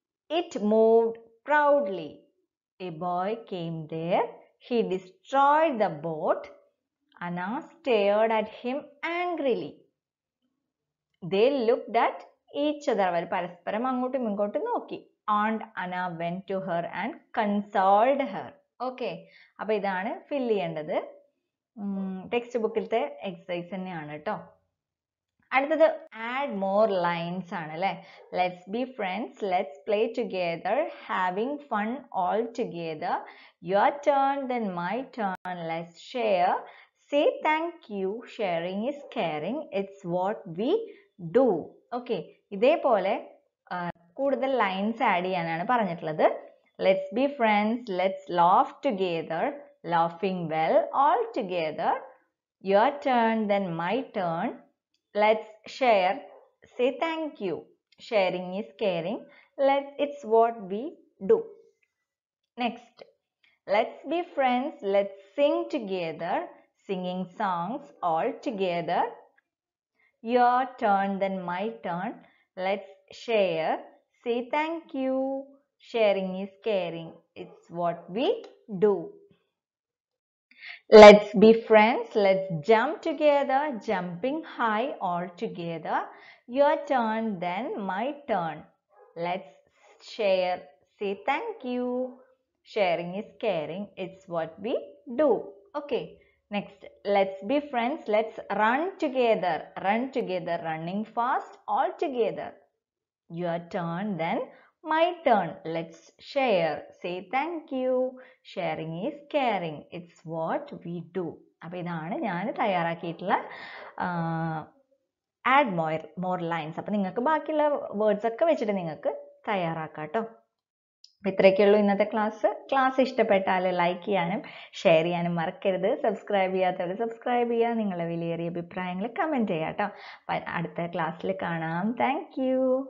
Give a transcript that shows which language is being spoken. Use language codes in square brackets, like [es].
[en] It moved proudly. A boy came there, he destroyed the boat. Anna stared at him angrily. They looked at each other. [ml] അവർ പരസ്പരം അങ്ങോട്ടും ഇങ്ങോട്ടും നോക്കി. [en] Aunt Anna went to her and consoled her. [ml] Okay. അപ്പൊ ഇതാണ് fill ചെയ്യേണ്ടത്. Text ബുക്കിലത്തെ exercise തന്നെയാണ് കേട്ടോ. അടുത്തത് ആഡ് മോർ ലൈൻസ് ആണ് അല്ലെ. [en] Let's be friends, let's play together, having fun all together, your turn then my turn, let's share, say thank you, sharing is caring, it's what we do. [ml] Okay, ഇതേപോലെ കൂടുതൽ lines add ചെയ്യാനാണ് പറഞ്ഞിട്ടുള്ളത്. [en] Let's be friends, let's laugh together, laughing well all together, your turn then my turn, let's share, say thank you, sharing is caring, let it's what we do. Next, let's be friends, let's sing together, singing songs all together, your turn then my turn, let's share, say thank you, sharing is caring, it's what we do. Let's be friends, let's jump together, jumping high all together, your turn then my turn, let's share, say thank you, sharing is caring, it's what we do. Okay, next, let's be friends, let's run together, running fast all together, your turn then my turn, let's share, say thank you, sharing is caring, it's what we do. [ml] അപ്പോൾ ഇതാണ് ഞാൻ തയ്യാറാക്കിയിട്ടുള്ള add more lines. അപ്പോൾ നിങ്ങൾക്ക് ബാക്കിയുള്ള words ഒക്കെ വെച്ചിട്ട് നിങ്ങൾക്ക് തയ്യാറാക്കാം കേട്ടോ. അപ്പോൾ ഇത്രയൊക്കെയുള്ളൂ ഇന്നത്തെ ക്ലാസ്. ക്ലാസ് ഇഷ്ടപ്പെട്ടാൽ ലൈക്ക് ചെയ്യാനും ഷെയർ ചെയ്യാനും മറക്കരുത്. സബ്സ്ക്രൈബ് ചെയ്യാത്തവർ സബ്സ്ക്രൈബ് ചെയ്യുക. നിങ്ങളുടെ വിലയേറിയ അഭിപ്രായങ്ങൾ കമൻറ്റ് ചെയ്യാം കേട്ടോ. അടുത്ത ക്ലാസ്സിൽ കാണാം. Thank you.